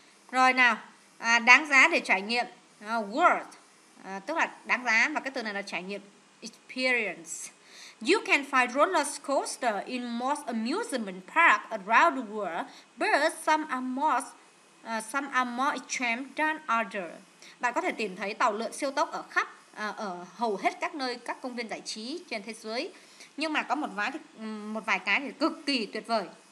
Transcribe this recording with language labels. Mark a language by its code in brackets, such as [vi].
[vi] Rồi nào, đáng giá để trải nghiệm, worth, tức là đáng giá, và cái từ này là trải nghiệm, experience. [en] You can find roller coaster in most amusement park around the world, but some are more extreme than other. [vi] Bạn có thể tìm thấy tàu lượn siêu tốc ở khắp ở hầu hết các nơi, các công viên giải trí trên thế giới, nhưng mà có một vài cái thì cực kỳ tuyệt vời.